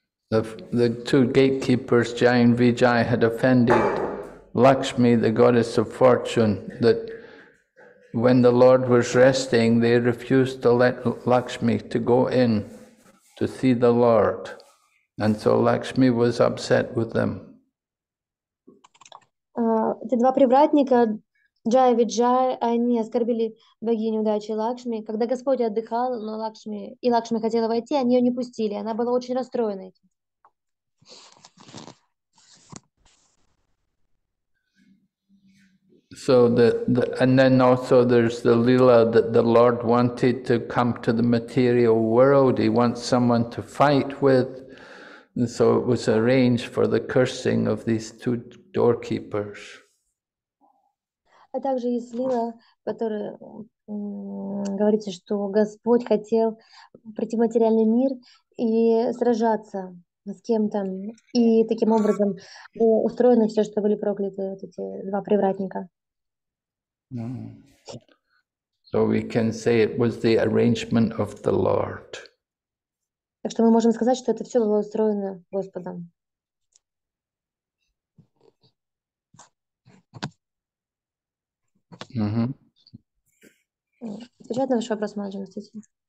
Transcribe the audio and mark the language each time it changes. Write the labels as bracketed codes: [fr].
[en] The two gatekeepers, Jaya and Vijaya, had offended Lakshmi, the goddess of fortune, that when the Lord was resting, they refused to let Lakshmi to go in to see the Lord. And so Lakshmi was upset with them. [ru] Эти два привратника, Джая и Виджая, они оскорбили богиню удачи Лакшми. Когда Господь отдыхал, но Лакшми и Лакшми хотела войти, они ее не пустили. Она была очень расстроена этим. [en] So the and then also there's the lila that the Lord wanted to come to the material world. He wants someone to fight with. And so it was arranged for the cursing of these two doorkeepers. [ru] А также есть лила, которая говорится, что Господь хотел прийти в материальный мир и сражаться с кем-то, и таким образом устроено все, что были прокляты вот эти два привратника. [en] So we can say it was the arrangement of the Lord. [ru] Так что мы можем сказать, что это все было устроено Господом. Отвечает на ваш вопрос, Маджина, простите.